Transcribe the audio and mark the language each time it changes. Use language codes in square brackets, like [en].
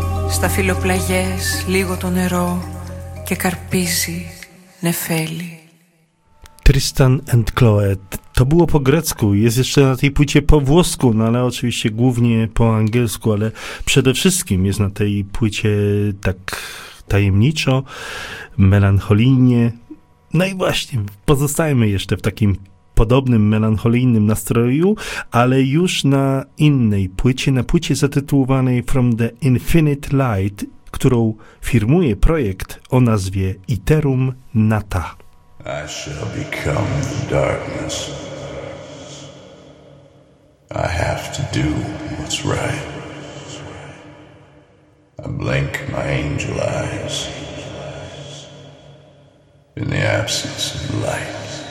[el] στα φιλοπλαγιές λίγο το νερό και καρπίζει νεφέλη. [en] Tristan and Chloe. [pl] To było po grecku, jest jeszcze na tej płycie po włosku, no ale oczywiście głównie po angielsku, ale przede wszystkim jest na tej płycie tak tajemniczo, melancholijnie. No i właśnie, pozostajemy jeszcze w takim podobnym, melancholijnym nastroju, ale już na innej płycie, na płycie zatytułowanej From the Infinite Light, którą firmuje projekt o nazwie Iterum Nata. [en] I shall become the darkness. I have to do what's right. I blink my angel eyes in the absence of light.